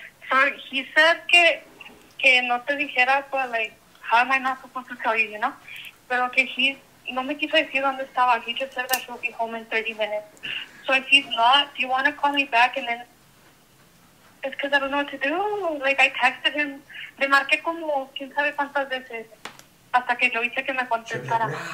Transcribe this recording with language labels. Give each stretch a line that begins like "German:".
English: So he said
Spanish: que no te dijera,
English: but like, how am I not supposed to tell you, you know?
Spanish: Pero que he no me quiso decir dónde estaba.
English: He just said that she'll be home in 30 minutes. So if he's not, do you want to call me back? And then it's because I don't know what to do. Like, I texted him.
Spanish: Le marqué como quién sabe cuántas veces hasta que yo hice que me contestara.